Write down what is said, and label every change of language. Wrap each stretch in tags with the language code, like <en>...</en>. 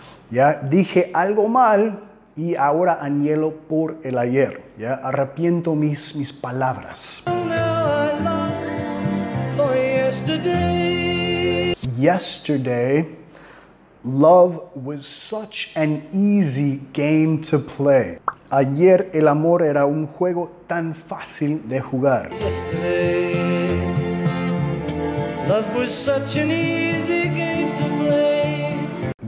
<es>Ya dije algo mal y ahora anhelo por el ayer. Ya arrepiento mis palabras.</es> <en>Now I long. Yesterday. yesterday, love was such an easy game to play.</en> <es>Ayer el amor era un juego tan fácil de jugar.</es> <en>Yesterday, love was such an easy game to play.</en>